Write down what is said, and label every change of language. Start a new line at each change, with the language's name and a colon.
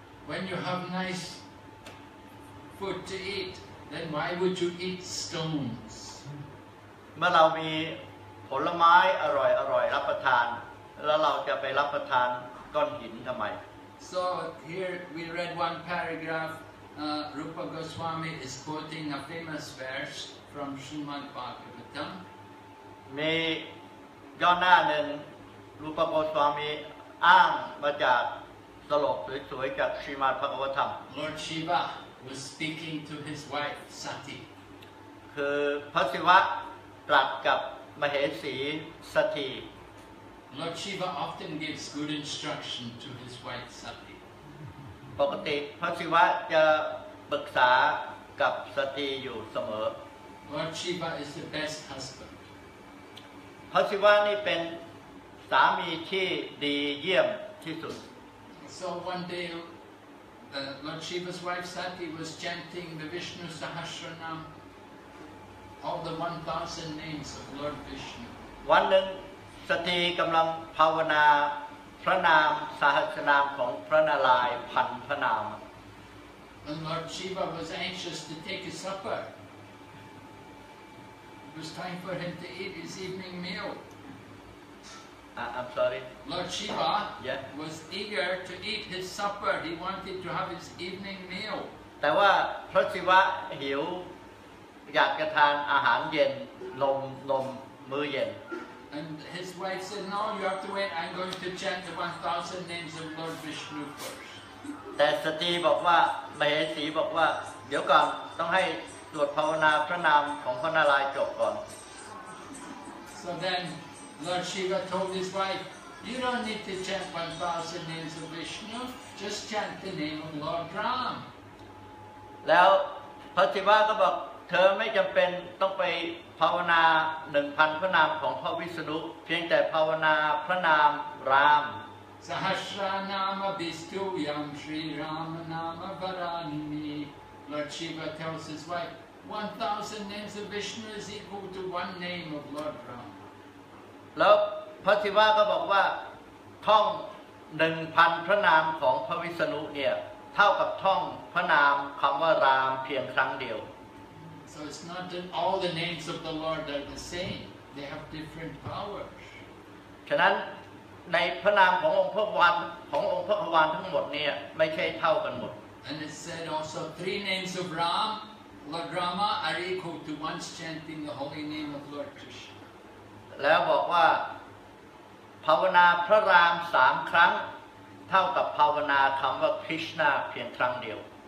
English: when you have nice food to eat then why would you eat stones
Thai: เมื่อเรามีผลไม้อร่อยอร่อยรับประทานแล้วเราจะไปรับประทานก้อนหินทำไม
English: So here we read one paragraph. Rupa Goswami is quoting a famous verse from Srimad Bhagavatam.
Thai: มีย่อหน้าหนึ่งรูปโกสวามีอ้างมาจากสลบสวยๆจากชรีมัทพระกวัตธรรม
English: Lord Shiva was speaking to his wife Sati.
Thai: คือพระศิวะตรัสกับมเหสีสตี
English: Lord Shiva often gives good instruction to his wife Sati.
Thai: ปกติพระศิวะจะปรึกษากับสตีอยู่เสมอ
English: Lord Shiva is the best husband.
Thai: พระศิวะนี่เป็นสามีที่ดีเยี่ยมที่สุด
English: So one day, Lord Shiva's wife Sati was chanting the Vishnu Sahasranam, all the 1,000 names of Lord Vishnu.
Thai: วันหนึ่งสตีกำลังภาวนาพระนามสหัสนามของพระนารายณ์พันพระนาม
English: And Lord Shiva was anxious to take his supper. It was time for him to eat his evening meal. I'm sorry. Lord Shiva was eager to eat his supper. He wanted to have his evening meal.
Thai: แต่ว่าพระศิวะหิวอยากจะทานอาหารเย็นลมมื้อเย็น
English: And his wife said, "No, you have to wait. I'm going to chant the 1,000 names of Lord Vishnu first."
Thai: แต่สตรีบอกว่ามเหสีบอกว่าเดี๋ยวก่อนต้องให้สวดภาวนาพระนามของพระนารายณ์จบก่อน
English: So then. Lord Shiva told his wife, "You don't need to chant 1,000 names of Vishnu. Just chant the name of Lord Ram."
Thai: แล้วพระศิวะก็บอกเธอไม่จำเป็นต้องไปภาวนา 1,000 พระนามของพระวิษณุเพียงแต่ภาวนาพระนามราม
Sanskrit: สหัสรนามบิสตุยัมชรีรามนามบารานี
English: Lord Shiva tells his wife, 1,000 names of Vishnu is equal to one name of Lord Ram."
Thai: แล้วพระศิวะก็บอกว่าท่อง 1,000 พระนามของพระวิษณุเนี่ยเท่ากับท่องพระนามคำว่ารามเพียงครั้งเดียว
English: So it's not that all the names of the Lord are the same. They have different powers.
Thai: ฉะนั้นในพระนามขององค์พระวันขององค์พระวันทั้งหมดเนี่ยไม่ใช่เท่ากันหมด
English: And it said also three names of Ram, Lord Rama are equal to once chanting the holy name of Lord Krishna.
Thai: แล้วบอกว่าภาวนาพระรามสามครั้งเท่ากับภาวนาคำว่าคริชนาเพียงครั้งเดียว